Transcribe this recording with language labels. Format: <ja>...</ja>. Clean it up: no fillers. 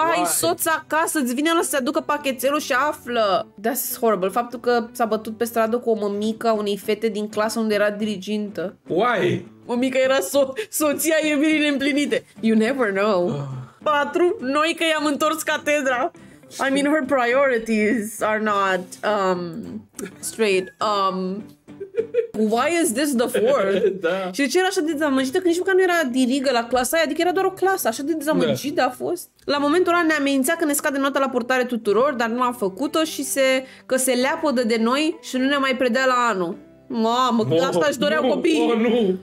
<ro>Ai soț acasă, îți vine ăla să se aducă pachetelul și află.</ro> <en>That's horrible.</en> <ro>Faptul că s-a bătut pe stradă cu o mămică a unei fete din clasă unde era dirigintă.</ro> <en>Why?</en> <ro>Mămica era soția iubirii neîmplinite.</ro> <en>You never know.</en> <ro>4. Noi că i-am întors catedra.</ro> <en>I mean, her priorities are not straight. Why is this the fourth?</en> <ro>Da. Și de ce era așa de dezamăgită? Că nici măcar nu era dirigă la clasa aia. Adică era doar o clasă. Așa de dezamăgită a fost. La momentul ăla ne amenințea că ne scade nota la portare tuturor, dar nu am făcut-o și că se leapădă de noi și nu ne mai predea la anul. Mamă, că asta își doreau copiii.</ro>